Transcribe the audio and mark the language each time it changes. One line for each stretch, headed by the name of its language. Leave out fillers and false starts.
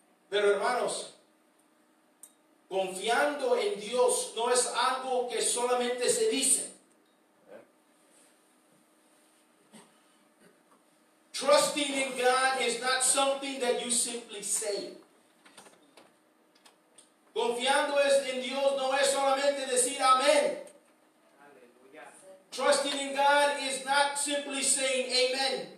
Spanish: Pero hermanos, confiando en Dios no es algo que solamente se dice.
English: Trusting in God is not something that you simply say.
Spanish: Confiando en Dios no es solamente decir amén.
English: Trusting in God is not simply saying amen.